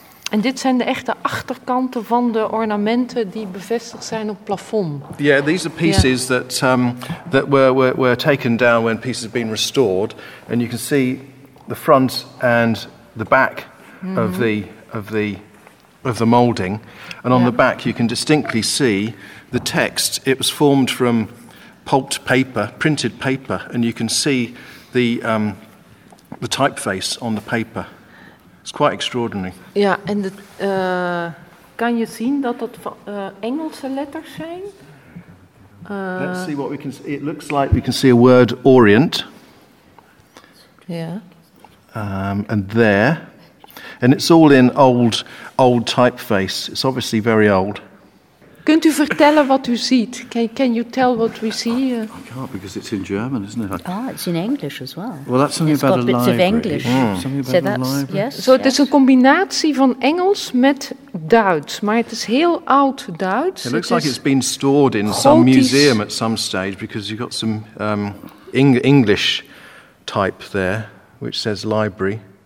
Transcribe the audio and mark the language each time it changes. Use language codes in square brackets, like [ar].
[nl] En dit zijn de echte achterkanten van de ornamenten die bevestigd zijn op het plafond. [en] Yeah, these are pieces that were taken down when pieces have been restored. And you can see the front and the back of the molding. And on the back you can distinctly see the text. It was formed from pulped paper, printed paper. And you can see the typeface on the paper. It's quite extraordinary. [nl] Ja, en kan je zien dat het Engelse letters zijn? [en] Let's see what we can see. It looks like we can see a word Orient. Ja. Yeah. And there. And it's all in old typeface. It's obviously very old. [nl] Kunt u vertellen wat u ziet? [en] Can you tell what we see? I can't because it's in German, isn't it? It's in English as well. Well, that's something it's about a bits library. Of English. Mm. Something about so a library. Yes. So it's a [nl] combinatie van Engels met Duits, maar het is heel oud Duits. [en] It looks like it's been stored in some museum at some stage because you've got some English type there, which says library.